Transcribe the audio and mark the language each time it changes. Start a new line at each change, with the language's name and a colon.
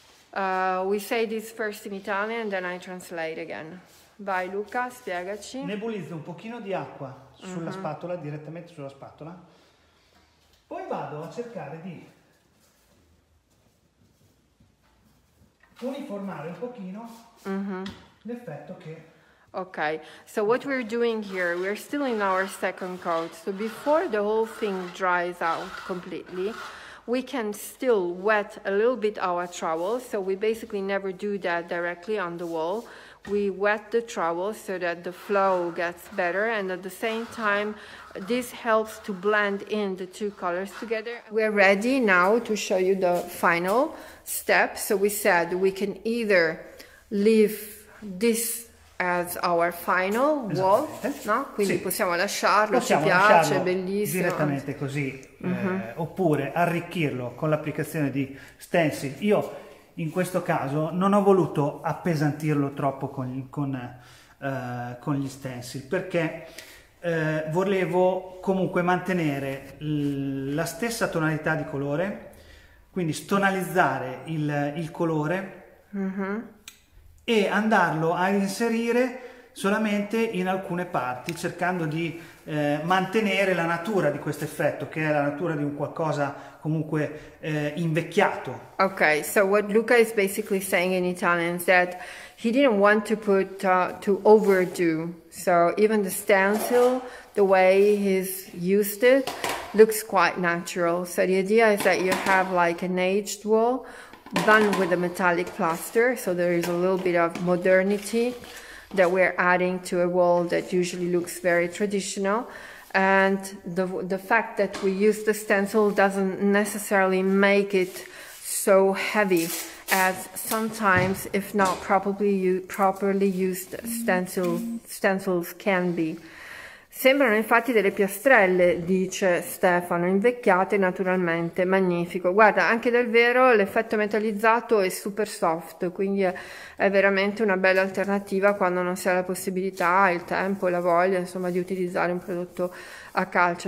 English: We say this first in Italian and then I translate again.
Italian: Vai Luca, spiegaci. Nebulizzo un pochino di acqua sulla spatola, direttamente sulla spatola. Poi vado a cercare di uniformare un pochino l'effetto che...
English: Ok, so what we're doing here, we're still in our second coat. So before the whole thing dries out completely, we can still wet a little bit our trowel, so we basically never do that directly on the wall. We wet the trowel so that the flow gets better, and at the same time, this helps to blend in the two colors together. We're ready now to show you the final step. So we said we can either leave this as our final wall, no?
Italian: Quindi sì. Possiamo lasciarlo, possiamo ci piace, lasciarlo è bellissimo. Direttamente così, oppure arricchirlo con l'applicazione di stencil. Io in questo caso non ho voluto appesantirlo troppo con gli stencil, perché volevo comunque mantenere la stessa tonalità di colore, quindi stonalizzare il colore. E andarlo a inserire solamente in alcune parti, cercando di mantenere la natura di questo effetto, che è la natura di un qualcosa comunque invecchiato.
English: Ok, so what Luca is basically saying in Italian is that he didn't want to put to overdo. So even the stencil, the way he's used it, looks quite natural. So the idea is that you have like an aged wall done with a metallic plaster, so there is a little bit of modernity that we're adding to a wall that usually looks very traditional, and the fact that we use the stencil doesn't necessarily make it so heavy as sometimes, if not properly used, stencils can be.
Italian: Sembrano infatti delle piastrelle, dice Stefano, invecchiate naturalmente, magnifico. Guarda, anche del vero l'effetto metallizzato è super soft, quindi è veramente una bella alternativa quando non si ha la possibilità, il tempo, la voglia, insomma, di utilizzare un prodotto a calcio.